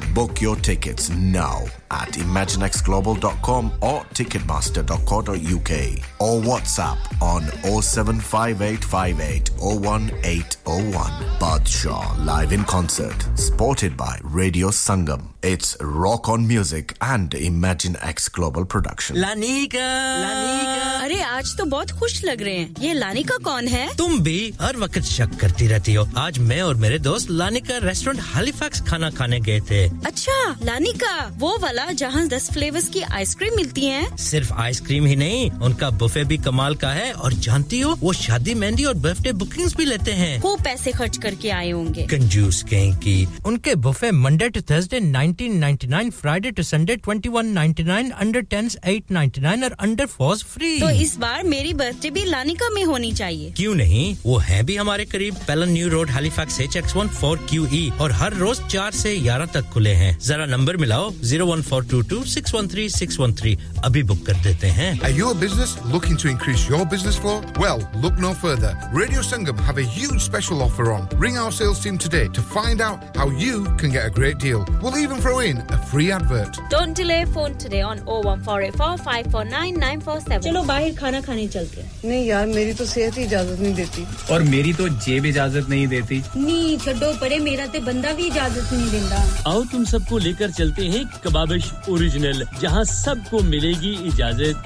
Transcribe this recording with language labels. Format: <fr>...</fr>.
<en>Book your tickets now at imaginexglobal.com or ticketmaster.co.uk or WhatsApp on 07585801801. Badshah live in concert, supported by Radio Sangam. It's Rock on Music and ImagineX Global production. Lanika,</en> <hi>अरे आज तो बहुत खुश लग रहे हैं. ये Lanika कौन है? तुम भी हर वक्त शक करती रहती हो. आज मैं और मेरे दोस्त लानिका रेस्टोरेंट हैलिफैक्स खाना खाने गए थे. अच्छा, लानिका वो वाला जहां 10 फ्लेवर्स की आइसक्रीम मिलती हैं? सिर्फ आइसक्रीम ही नहीं, उनका बुफे भी कमाल का है. और जानती हो, वो शादी मेहंदी और बर्थडे बुकिंग्स भी लेते हैं. खूब पैसे खर्च करके आए होंगे. कंजूस कहेंगे. उनके buffet Monday to Thursday 1999, Friday to Sunday 2199, under 10s 899 और अंडर 4s फ्री. तो इस बार मेरी बर्थडे भी लानिका में होनी चाहिए. क्यों नहीं, वो है भी हमारे करीब. पेलन new road Halifax HX1 4QE और हर रोज 4 से 11 तक खुले हैं. जरा नंबर मिलाओ 01422613613. अभी बुक कर देते हैं.</hi> <en>Are you a business looking to increase your business flow? Well, look no further. Radio Sangam have a huge special offer on. Ring our sales team today to find out how you can get a great deal. We'll even throw in a free advert. Don't delay, phone today on 01484549947.</en> <hi>चलो बाहर खाना खाने चलते हैं. नहीं यार, मेरी तो सेहत ही इजाजत नहीं देती. और मेरी तो जेब इजाजत नहीं देती. नहीं छोड़ो परे, मेरा तो बंदा भी इजाजत नहीं देता. आओ तुम सबको लेकर चलते हैं कबाबिश ओरिजिनल, जहां सबको मिलेगी इजाजत.</hi>